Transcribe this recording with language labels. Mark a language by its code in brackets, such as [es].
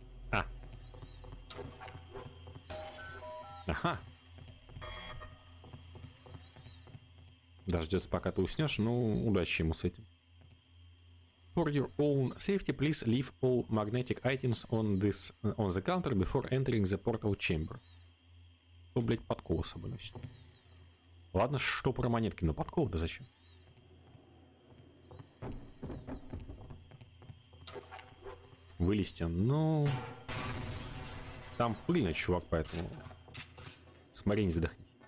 [ru] А. Ага. Дождется, пока ты уснешь. Ну, удачи ему с этим. [en] For your own safety, please leave all magnetic items on this on the counter before entering the portal chamber. [ru] О, блять, подкова с собой носит. Ладно, что про монетки, но подкова, да зачем? Вылезти, ну там пыльно, чувак, поэтому смотри, не задохни.